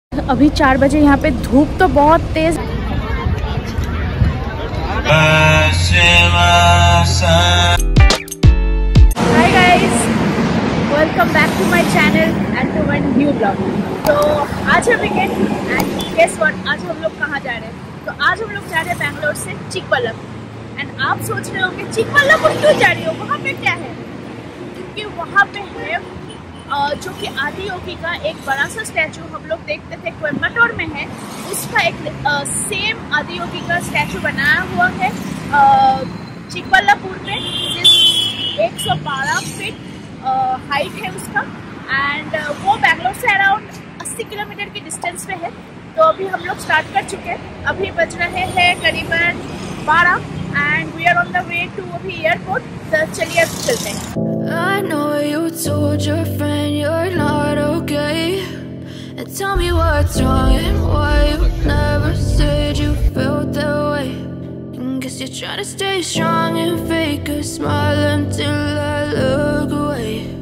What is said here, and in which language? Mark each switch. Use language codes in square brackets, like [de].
[hi] अभी 4 बजे, यहाँ पे धूप तो बहुत तेज। [en] Hi guys, welcome back to my channel and to my new vlog. So, [hi] आज हम [en] again and guess what? [hi] आज हम लोग कहाँ जा रहे हैं? तो आज हम लोग जा रहे हैं बैंगलोर से चिकपल्लम। And आप सोच रहे होंगे चिकपल्लम को क्यों जा रही हो? वहाँ पे क्या है? क्योंकि वहाँ पे है जो कि आदि योगी का एक बड़ा सा स्टैचू हम लोग देखते थे कोयम्बटूर में है, उसका एक सेम आदि योगी का स्टैचू बनाया हुआ है चिकपल्लापुर में, जिस 112 फीट हाइट है उसका, एंड वो बैंगलोर से अराउंड 80 किलोमीटर की डिस्टेंस पे है। तो अभी हम लोग स्टार्ट कर चुके हैं, अभी बज रहे हैं करीबन 12 [en] and we are on the way to [hi] अभी एयरपोर्ट। तो चलिए अभी चलते हैं। [en] I know you told your friend you're not okay, and tell me what's wrong and why you never said you felt that way. Guess you're trying to stay strong and fake a smile until I look away.